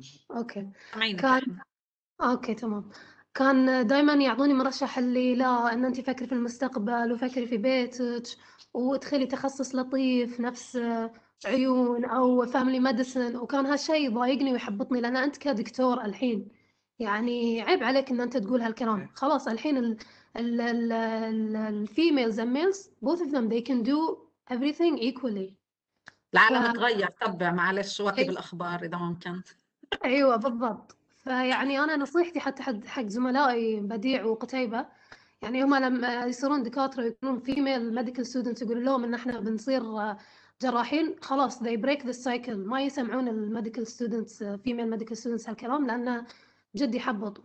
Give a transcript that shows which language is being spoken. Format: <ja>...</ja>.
<ar>أوكي كان أوكي تمام. كان دايما يعطوني مرشح اللي لا ان انت فكري في المستقبل وفكري في بيتك وادخلي تخصص لطيف نفس عيون او فاملي ميديسن، وكان هالشيء يضايقني ويحبطني، لان انت كدكتور الحين يعني عيب عليك ان انت تقول هالكلام. خلاص الحين الفيميلز</ar> <en>and males both of them they can do everything equally.</en> <ar>العالم تغير طبع، معلش واكب الاخبار اذا ممكن. ايوه بالضبط. فيعني أنا نصيحتي حتى حق زملائي بديع وقتيبة، يعني هما لما يصيرون دكاترة ويكونون</ar> <en>female medical students</en> <ar>يقولوا لهم إن إحنا بنصير جراحين، خلاص</ar> <en>they break the cycle،</en> <ar>ما يسمعون ال</ar> <en>medical students female medical students</en> <ar>هالكلام، لأنه جدي حبط.</ar>